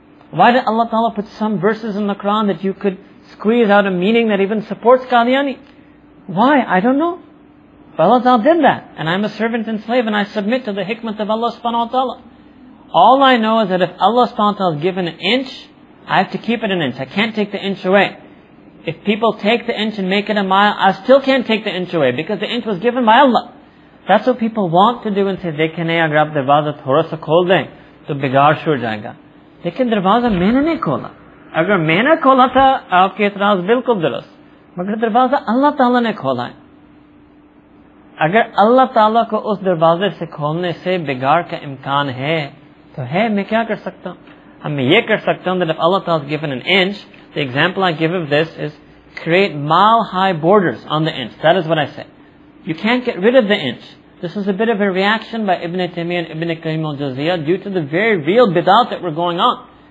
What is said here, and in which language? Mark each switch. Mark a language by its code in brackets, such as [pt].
[en] Why did Allah Ta'ala put some verses in the Quran that you could squeeze out a meaning that even supports Qadiani? Why? I don't know. But Allah Ta'ala did that. And I'm a servant and slave and I submit to the hikmat of Allah subhanahu wa ta'ala. All I know is that if Allah subhanahu wa ta'ala has given an inch, I have to keep it an inch. I can't take the inch away. If people take the inch and make it a mile, I still can't take the inch away because the inch was given by Allah. That's what people want to do and say, [ur] دیکھنے اگرب دروازہ تھوڑا سا کھول دیں، تو بگڑ شر جائے گا۔ لیکن دروازہ میں نے نہیں کھولا۔ اگر میں نے کھولا تھا، آپ کے اعتراض بالکل درست۔ مگر دروازہ اللہ تعالیٰ نے کھولا ہے۔ اگر اللہ تعالیٰ کو اس دروازے سے کھولنے سے بگاڑ کا امکان ہے، تو ہے، میں کیا کر سکتا ہوں؟ Hum ye kar sakta hun [en] that if Allah ta'ala has given an inch, the example I give of this is create mile-high borders on the inch. That is what I say. You can't get rid of the inch. This is a bit of a reaction by Ibn Taymiyyah and Ibn Qayyim al-Jawziyyah due to the very real bid'ah that were going on.